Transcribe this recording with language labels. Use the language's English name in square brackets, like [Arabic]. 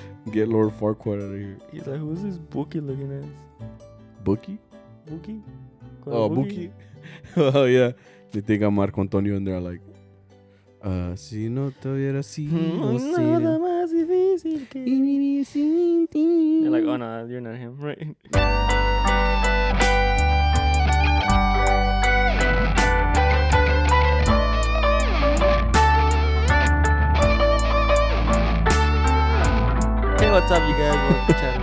[English] Get Lord Farquaad out of here. He's like, who's this bookie looking at? Bookie? Bookie? Quite oh, bookie. Oh, well, yeah. They think I'm Marco Antonio and they're like, [Spanish] si no te hubiera sido. Nada más difícil que vivir sin ti. [English] They're like, oh, no, you're not him, right? What's up, you guys? Welcome to Chatting